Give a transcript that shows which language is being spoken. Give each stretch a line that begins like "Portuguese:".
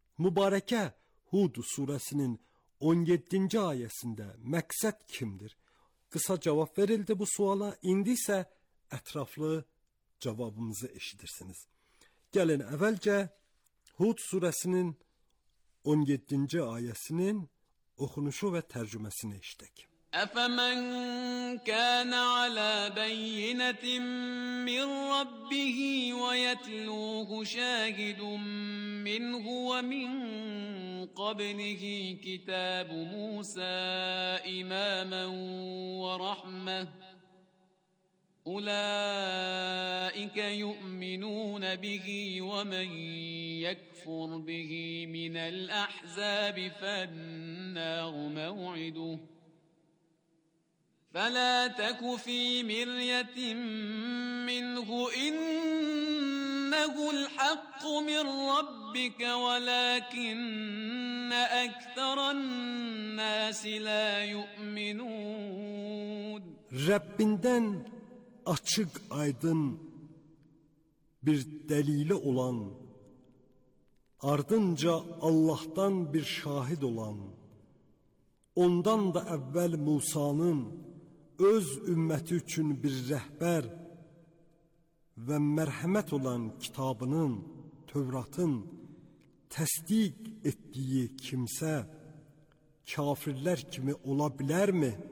Azerbaijani: Mübarəkə Hud surəsinin 17-ci ayəsində məqsəd kimdir? Qısa cavab verildi bu suala, indi isə ətraflı cavabımızı eşidirsiniz. Gəlin, əvvəlcə Hud surəsinin 17-ci ayəsinin oxunuşu və tərcüməsini eşidək.
Arabic: أَفَمَنْ كَانَ عَلَى بَيِّنَةٍ مِّنْ رَبِّهِ وَيَتْلُوهُ شَاهِدٌ مِّنْهُ وَمِنْ قَبْلِهِ كِتَابُ مُوسَى إِمَامًا وَرَحْمَةً أُولَئِكَ يُؤْمِنُونَ بِهِ وَمَنْ يَكْفُرْ بِهِ مِنَ الْأَحْزَابِ فَالنَّارُ مَوْعِدُهُ فلا تك في مرية منه إنه الحق من ربك ولكن أكثر الناس لا يؤمنون.
Azerbaijani: Rəbbindən açıq aydın bir dəlili olan, ardınca Allahdan bir şahid olan, ondan da əvvəl Musanın öz ümməti üçün bir rəhbər və mərhəmət olan kitabının, Tövratın təsdiq etdiyi kimsə kafirlər kimi ola bilərmi?